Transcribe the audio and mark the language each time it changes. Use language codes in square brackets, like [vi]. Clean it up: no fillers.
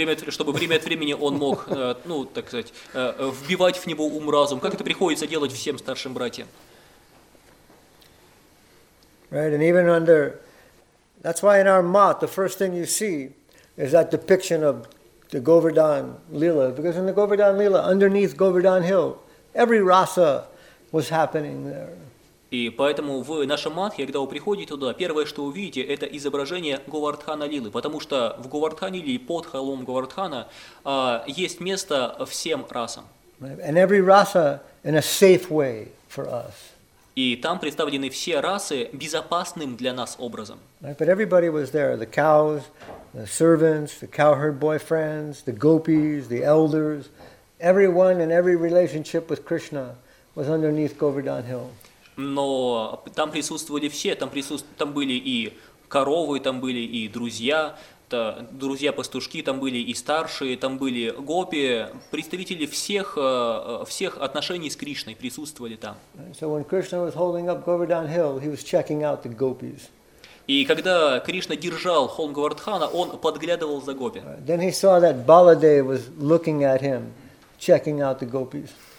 [ru] Чтобы время от времени он мог, ну так сказать, вбивать в него ум разум. Как это приходится делать всем старшим братьям? [en] Right, and even under, that's why in our mat the first thing you see is that depiction of the Govardhan Lila, because in the Govardhan Lila, underneath Govardhan Hill, every rasa was happening there. [ru] И поэтому в нашем матхе, когда вы приходите туда, первое, что увидите, это изображение Говардхана Лилы, потому что в Говардхане Лиле, под холмом Говардхана, есть место всем расам. [en] And every rasa in a safe way for us. [ru] И там представлены все расы безопасным для нас образом. [en] But everybody was there, the cows, the servants, the cowherd boyfriends, the gopis, the elders, everyone in every relationship with Krishna was underneath Govardhan Hill. [ru] Но там присутствовали все, там были и коровы, там были и друзья, друзья-пастушки, там были и старшие, там были гопи, представители всех отношений с Кришной присутствовали там. [en] So when Krishna was holding up Govardhan Hill, he was checking out the gopis. [ru] И когда Кришна держал холм Говардхана, он подглядывал за гопи. [en] Then he saw that Baladev was looking at him, checking out the gopis.